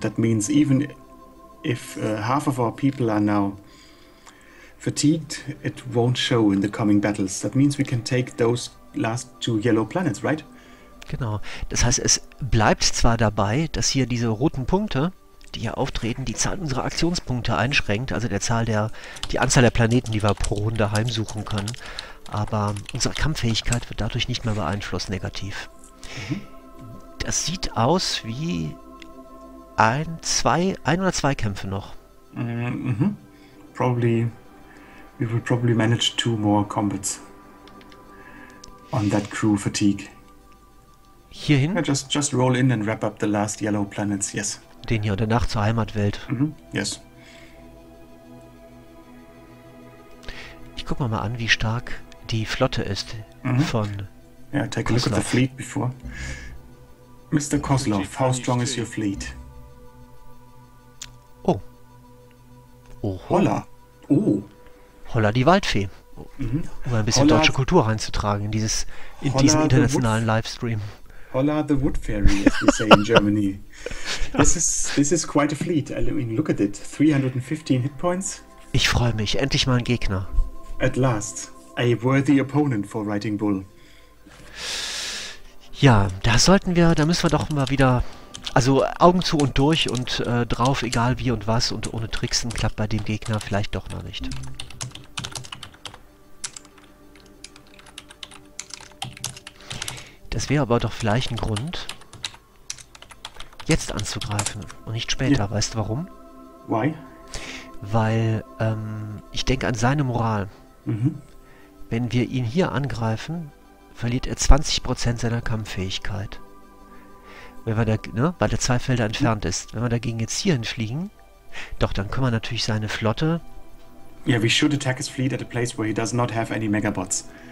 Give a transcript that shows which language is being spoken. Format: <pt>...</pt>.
<en>That means even if half of our people are now fatigued, it won't show in the coming battles. That means we can take those last two yellow planets, right?</en> <de>Genau. Das heißt, es bleibt zwar dabei, dass hier diese roten Punkte, die hier auftreten, die Zahl unserer Aktionspunkte einschränkt, also der Zahl der, die Anzahl der Planeten, die wir pro Runde heimsuchen können, aber unsere Kampffähigkeit wird dadurch nicht mehr beeinflusst, negativ. Das sieht aus wie ein oder zwei Kämpfe noch.</de> <en>Probably, we will probably manage 2 more combats on that crew fatigue.</en> <de>Hierhin?</de> <en>Yeah, just roll in and wrap up the last yellow planets, yes.</en> <de>Den hier, danach zur Heimatwelt.</de> <en>Yes.</en> <de>Ich guck mal an, wie stark die Flotte ist von.</de> <en>Yeah, take a look at the fleet before. Mr. Kozlov, how strong is your fleet? Oh.</en> <de>Oh. Holla. Oh. Holla die Waldfee. Um ein bisschen deutsche Kultur reinzutragen in dieses, in diesen internationalen Livestream.</de> <en>Holla the Wood Fairy, as we say in Germany. This is quite a fleet. I mean, look at it. 315 hit points.</en> <de>Ich freue mich. Endlich mal ein Gegner.</de> <en>At last. A worthy opponent for Riding Bull.</en> <de>Ja, da müssen wir doch mal wieder, also Augen zu und durch und drauf, egal wie und was und ohne Tricksen, klappt bei dem Gegner vielleicht doch noch nicht. Das wäre aber doch vielleicht ein Grund, jetzt anzugreifen und nicht später, weißt du warum? Why? Weil ich denke an seine Moral. Wenn wir ihn hier angreifen, verliert er 20% seiner Kampffähigkeit. Wenn wir da, ne, weil er 2 Felder entfernt ist. Wenn wir dagegen jetzt hier hinfliegen, doch, dann können wir natürlich seine Flotte.</de> <en>Yeah, we should attack his fleet at a place where he does not have any megabots.</en>